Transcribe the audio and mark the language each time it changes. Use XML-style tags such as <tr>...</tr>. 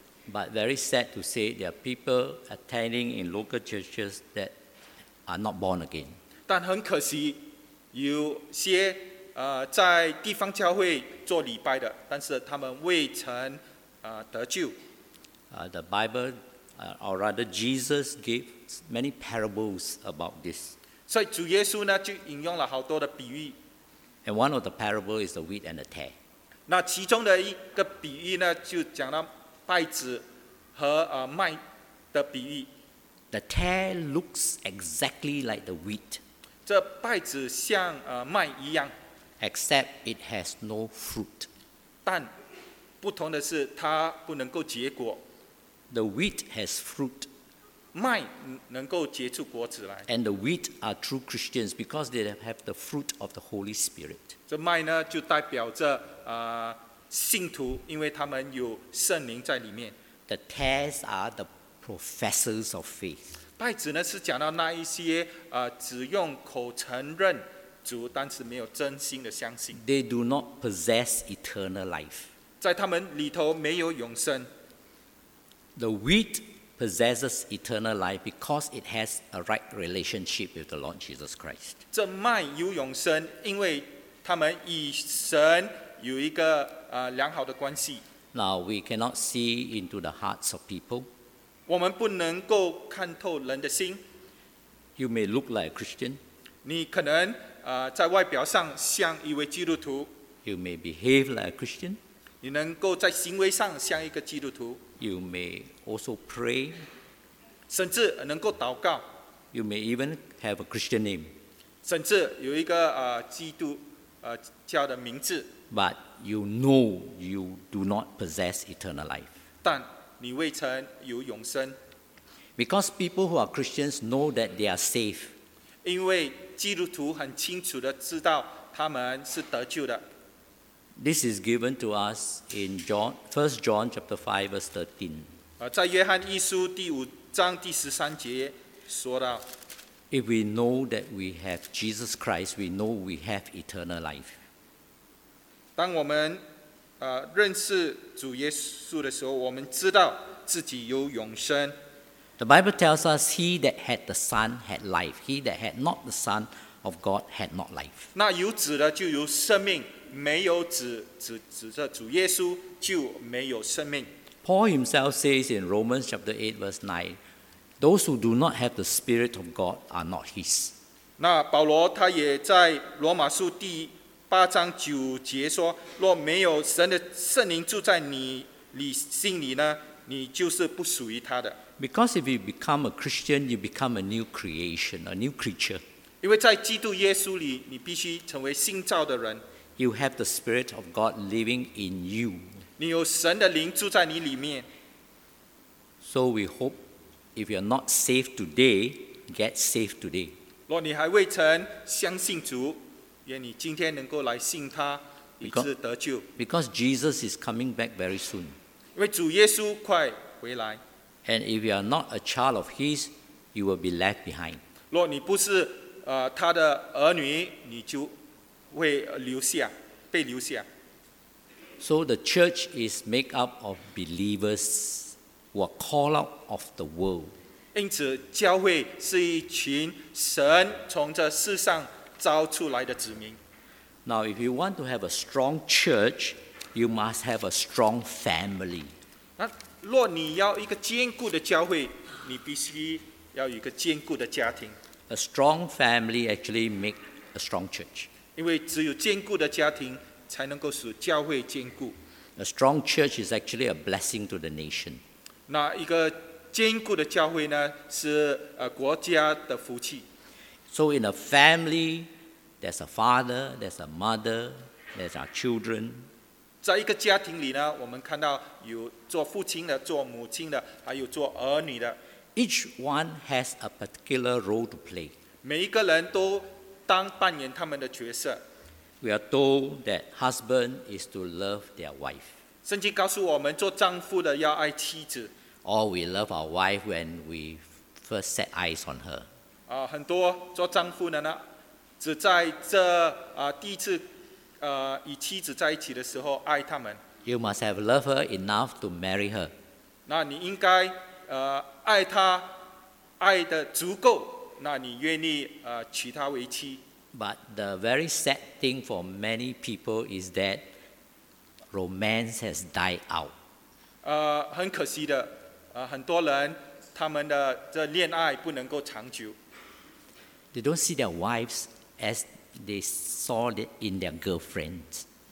<en>But very sad to say, there are people attending in local churches that are not born again.</en> <zh>但很可惜，有些在地方教会做礼拜的，但是他们未曾得救。</zh> <en>The Bible, or rather Jesus, gave many parables about this.</en> <zh>所以主耶稣呢，就引用了好多的比喻。</zh> <en>And one of the parables is the wheat and the tare.</en> <zh>那其中的一个比喻呢，就讲到稗子和麦的比喻。</zh> <en>The tare looks exactly like the wheat.</en> <zh>这稗子像麦一样。</zh> <en>Except it has no fruit.</en> <zh>但不同的是，它不能够结果。</zh> <en>The wheat has fruit.</en> <zh>麦能够结出果子来。</zh> <en>And the wheat are true Christians because they have the fruit of the Holy Spirit.</en> <zh>这麦呢就代表着信徒，因为他们有圣灵在里面。</zh> <en>The tares are the professors of faith.</en> <zh>稗子呢是讲到那一些只用口承认主，但是没有真心的相信。</zh> <en>They do not possess eternal life.</en> <zh>在他们里头没有永生。</zh> <en>The wheat. Possesses eternal life because it has a right relationship with the Lord Jesus Christ.</en> <zh>这麦有永生，因为他们与神有一个良好的关系。</zh> <en>Now we cannot see into the hearts of people.</en> <zh>我们不能够看透人的心。</zh> <en>You may look like a Christian.</en> <zh>你可能在外表上像一位基督徒。</zh> <en>You may behave like a Christian.</en> <zh>你能够在行为上像一个基督徒。</zh> <en>You may also pray.</en> <zh>甚至能够祷告。</zh> <en>You may even have a Christian name.</en> <zh>甚至有一个基督教的名字。</zh> <en>But you know you do not possess eternal life.</en> <zh>但你未曾有永生。</zh> <en>Because people who are Christians know that they are saved.</en> <zh>因为基督徒很清楚地知道他们是得救的。</zh> <en>This is given to us in 1 John chapter 5 verse 13.</en> <zh>在约翰一书第五章第十三节说到，</zh> <en>If we know that we have Jesus Christ, we know we have eternal life.</en> <zh>当我们认识主耶稣的时候，我们知道自己有永生。</zh> <en>The Bible tells us, he that had the Son had life. He that had not the Son of God had not life.</en> <zh>那有子的就有生命，没有子，指着主耶稣就没有生命。</zh> <en>Paul himself says in Romans chapter 8 verse 9, those who do not have the Spirit of God are not his.</en> <zh>那保罗他也在罗马书第八章九节说，若没有神的圣灵住在你心里呢，你就是不属于他的。</zh> <en>Because if you become a Christian, you become a new creation, a new creature.</en> <zh>因为在基督耶稣里，你必须成为新造的人。</zh> <en>You have the Spirit of God living in you.</en> <zh>你有神的灵住在你里面。</zh> <en>So we hope if you're not saved today, get saved today.</en> <zh>若你还未曾相信主，愿你今天能够来信他，以致得救。</zh> <en>Because Jesus is coming back very soon.</en> <zh>因为主耶稣快回来。</zh> <en>And if you are not a child of his, you will be left behind.</en> <zh>若你不是他的儿女，你就会留下，被留下。</zh> <en>So the church is made up of believers who are called out of the world.</en> <zh>因此，教会是一群神从这世上召出来的子民。</zh> <en>Now, if you want to have a strong church, you must have a strong family.</en> <zh>若你要一个坚固的教会，你必须要有一个坚固的家庭。</zh> <en>A strong family actually make a strong church.</en> <zh>因为只有坚固的家庭才能够使教会坚固。</zh> <en>A strong church is actually a blessing to the nation.</en> <zh>那一个坚固的教会呢，是国家的福气。</zh> <en>So in a family, there's a father, there's a mother, there's our children.</en> <zh>在一个家庭里呢，我们看到有做父亲的，做母亲的，还有做儿女的。</zh> <en>Each one has a particular role to play.</en> <zh>每一个人都当扮演他们的角色。</zh> <en>We are told that husband is to love their wife.</en> <zh>圣经告诉我们，做丈夫的要爱妻子。</zh> <en>Or we love our wife when we first set eyes on her.</en> <zh>很多做丈夫的呢，只在这第一次与妻子在一起的时候爱他们。</zh> <en>You must have loved her enough to marry her.</en> <zh>那你应该爱她，爱得足够，那你愿意娶她为妻。</zh> <en>But the very sad thing for many people is that romance has died out.</en> <zh>很可惜的，很多人他们的这恋爱不能够长久。</zh> <en>They don't see their wives as they saw it in their girlfriends.</en>